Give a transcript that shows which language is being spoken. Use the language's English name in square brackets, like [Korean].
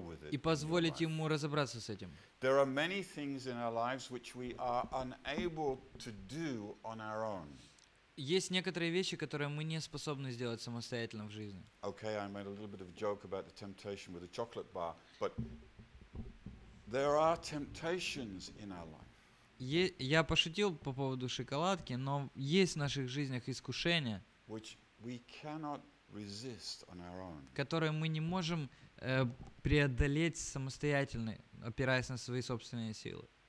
[Russian] И позволить ему разобраться с этим. [English] There are many things in our lives which we are unable to do on our own. [Russian] Есть некоторые вещи, которые мы не способны сделать самостоятельно в жизни. [English] Okay, I made a little bit of a joke about the temptation with the chocolate bar, but there are temptations in our life. [Russian] Я пошутил по поводу шоколадки, но есть в наших жизнях искушения, [English] which we cannot resist on our own. [Russian] Которые мы не можем преодолеть самостоятельно, опираясь на свои собственные силы.